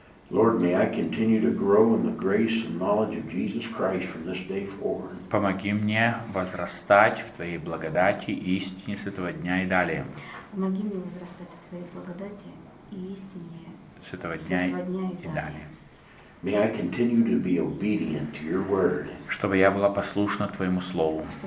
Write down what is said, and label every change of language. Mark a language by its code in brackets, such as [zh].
[en] Lord, may I continue to grow in the grace and knowledge of Jesus Christ from this day forward. [ru] Помоги мне возрастать в твоей благодати и истине с этого дня и далее. Помоги мне возрастать в твоей благодати и истине с этого дня и далее. [en] May I continue to be obedient to your word. [ru] Чтобы я была послушна твоему слову.